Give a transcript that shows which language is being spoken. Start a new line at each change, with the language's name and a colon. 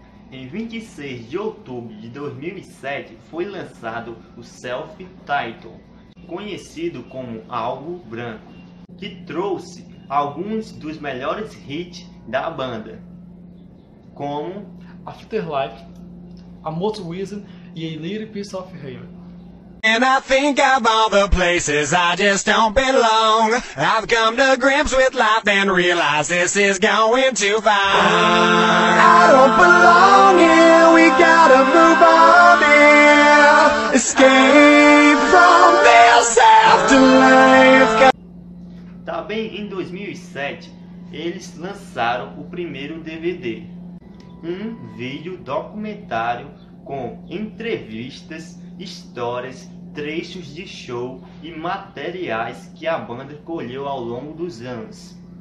Portuguese: Em 26 de outubro de 2007, foi lançado o self-titled, conhecido como álbum branco, que trouxe alguns dos melhores hits da banda, como Afterlife, A Most Reason e A Little Piece of Heaven.
English: And I think of all the places I just don't belong. I've come to grips with life and realize this is going too far. I don't belong here, we gotta move on here. Escape from this afterlife.
Portuguese: Também em 2007, eles lançaram o primeiro DVD, um vídeo documentário com entrevistas histórias, trechos de show e materiais que a banda colheu ao longo dos anos.